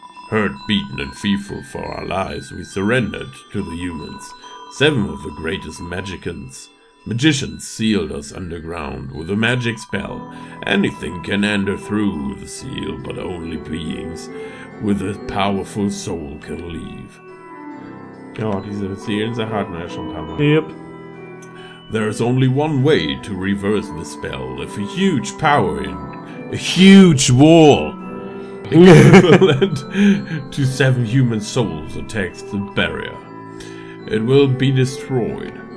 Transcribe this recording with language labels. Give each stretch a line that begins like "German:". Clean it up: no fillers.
English: Hurt, beaten and fearful for our lives, we surrendered to the humans. Seven of the greatest magicians sealed us underground with a magic spell. Anything can enter through the seal, but only beings with a powerful soul can leave.
German: Ja, diese Seelensache hatten wir ja schon ein paar Mal.
English: Yep. There is only one way to reverse the spell. If a huge power in a huge wall equivalent to seven human souls attacks the barrier, it will be destroyed.